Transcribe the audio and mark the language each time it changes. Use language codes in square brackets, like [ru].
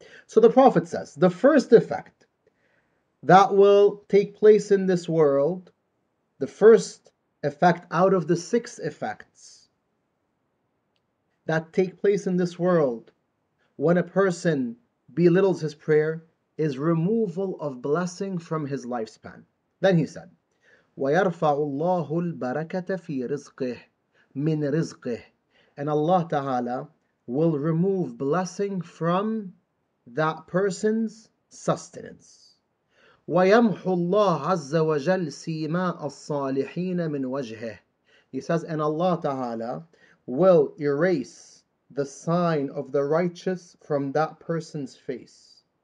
[en] So the Prophet says, the first effect that will take place in this world, the first effect out of the six effects that take place in this world when a person belittles his prayer, is removal of blessing from his lifespan. Then he said, [ar] وَيَرْفَعُ اللَّهُ الْبَرَكَةَ فِي رِزْقِهِ مِنْ رِزْقِهِ. [en] And Allah Ta'ala will remove blessing from that person's sustenance. [ar] وَيَمْحُ اللَّهُ عَزَّ وَجَلْ سِيمَاءَ الصَّالِحِينَ مِنْ وَجْهِهِ. [en] He says, and Allah Ta'ala will erase the sign of the righteous from that person's face.